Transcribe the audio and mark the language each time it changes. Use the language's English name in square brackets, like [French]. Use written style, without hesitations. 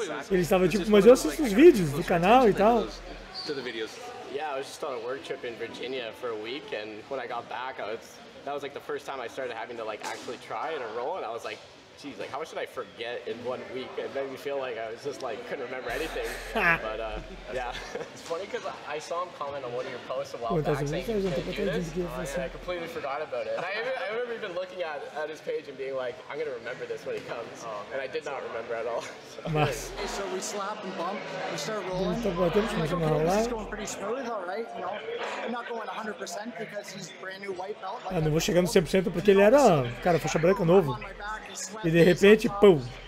[Portuguese] Ele estava tipo, mas eu assisto os vídeos do canal e tal. [English] Yeah, I was just on a work trip in Virginia for a week, and when I got back, that was like the first time I started having to like actually try and enroll, and I was like, geez, like how much did I forget in 1 week? It made me feel like I was just like couldn't remember anything. But yeah, it's funny because I saw him comment on one of your posts a while back saying you can't do this. I completely forgot about it. And I remember even looking at his page and being like, I'm gonna remember this when he comes. Oh, man, and I did not remember at all. So we slap and bump, we start rolling. This is going pretty smooth, all right? No, I'm not going 100% because he's brand new white belt. [Portuguese] Ah, não vou chegando 100% porque ele era, cara, faixa branca novo. E de repente, pum!